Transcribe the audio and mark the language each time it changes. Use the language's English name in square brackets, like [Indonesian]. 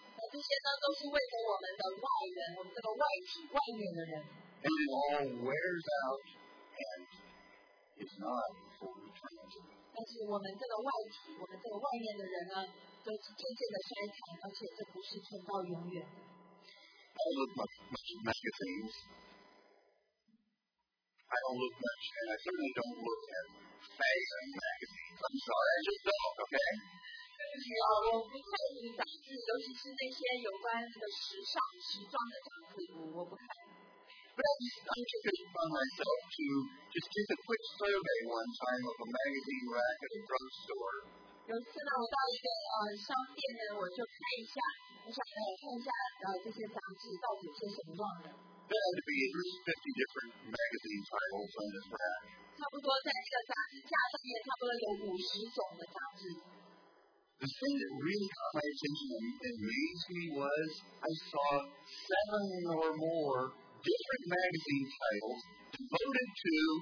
[Chinese] 这些呢，都是为了我们的外人，我们这个外体外面的人。 [English] And it all wears out and is not a fully transient. [Chinese] 但是我们这个外体，我们这个外面的人呢，都是渐渐的衰残，而且这不是存到永远。 [English] I don't look much at magazines. I don't look much, and I certainly don't look at fashion magazines. I'm sorry, I just don't, okay? [Chinese] 对不起哦，我不看你杂志，尤其是那些有关这个时尚、时装的杂志，我不看。 [English] But I took it upon myself to just take a quick survey one time of a magazine rack at a drugstore. [Chinese] 有一次呢，我到一个商店呢，我就看一下，我想来看一下这些杂志到底是什么状的。 [English] There had to be at least 50 different magazine titles on this rack. [Chinese] 差不多在这个杂志架上面，差不多有50种的杂志。 [English] The thing that really caught my attention and amazed me was I saw 7 or more different magazine titles devoted to